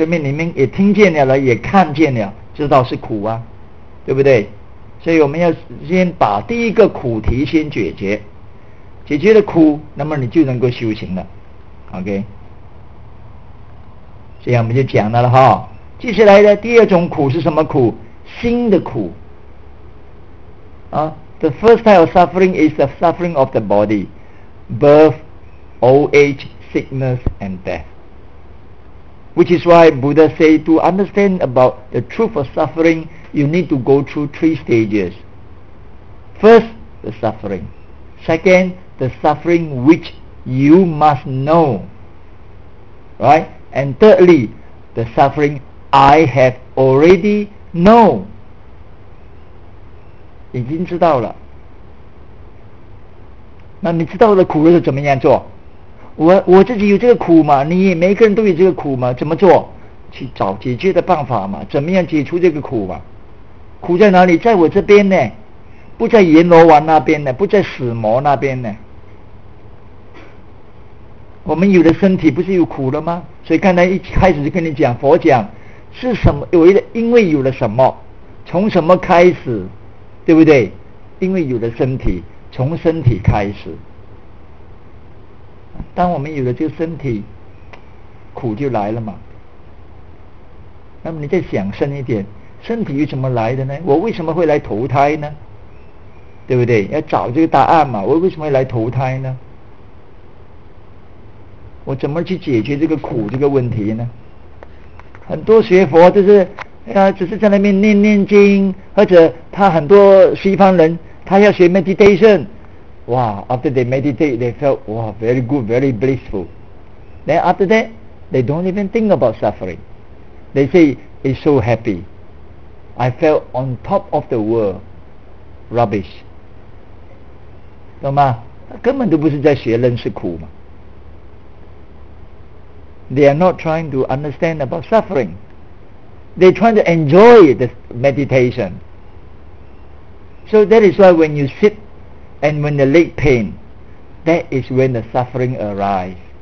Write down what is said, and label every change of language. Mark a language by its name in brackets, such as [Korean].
[Chinese] 说明你们也听见了，也看见了，知道是苦啊，对不对？所以我们要先把第一个苦题先解决，解决了苦，那么你就能够修行了。 OK， 这样我们就讲到了哈。接下来的第二种苦是什么苦？心的苦啊。 [English] The first type of suffering is the suffering of the body, birth, old age, sickness and death. Which is why Buddha said, to understand about the truth of suffering, you need to go through three stages. First, the suffering. Second, the suffering which you must know. Right? And thirdly, the suffering I have already known. [Chinese] 已经知道了，那你知道的苦是怎么样做？我自己有这个苦嘛，你也每个人都有这个苦嘛，怎么做？去找解决的办法嘛，怎么样解除这个苦嘛？苦在哪里？在我这边呢，不在阎罗王那边呢，不在死魔那边呢。我们有的身体不是有苦了吗？所以刚才一开始就跟你讲，佛讲是什么？有一个因为有了什么，从什么开始？对不对？因为有了身体，从身体开始，当我们有了这个身体，苦就来了嘛。那么你再想深一点，身体又怎么来的呢？我为什么会来投胎呢？对不对？要找这个答案嘛。我为什么会来投胎呢？我怎么去解决这个苦这个问题呢？很多学佛就是他只是在那边念念经，或者他很多西方人他要学 [English] meditation， 哇 after they meditate they felt wow very good very blissful， then after that they don't even think about suffering， they say it's so happy， I felt on top of the world， rubbish， [Chinese] 懂吗？他根本都不是在学认识苦嘛。 [English] they are not trying to understand about sufferingThey trying to enjoy the meditation. So that is why when you sit and when the leg pain, that is when the suffering arises.